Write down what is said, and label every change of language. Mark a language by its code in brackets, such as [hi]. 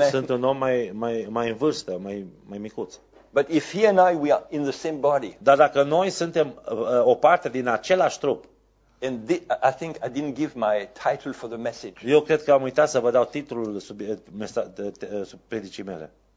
[ro] Eu sunt un om mai în vârstă, mai micuț. [en] But if he and I we are in the same body. [ro] Dar dacă noi suntem o parte din același trup. [en] And I think I didn't give my title for the message. [ro] Eu cred că am uitat să vă dau titlul sub predicii mele.